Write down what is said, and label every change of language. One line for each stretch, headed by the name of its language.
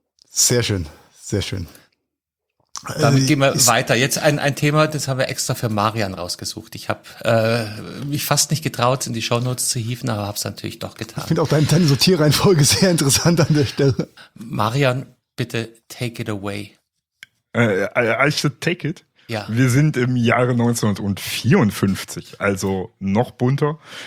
German: Sehr schön, sehr schön. Damit gehen wir weiter. Jetzt ein Thema, das haben wir extra für Marian rausgesucht. Ich habe mich fast nicht getraut, in die Shownotes zu hieven, aber habe es natürlich doch getan. Ich finde auch deine Sortierreihenfolge sehr interessant an der Stelle. Marian, bitte
English: take it away. I should take it?
German: Ja. Wir sind im Jahre 1954, also noch bunter.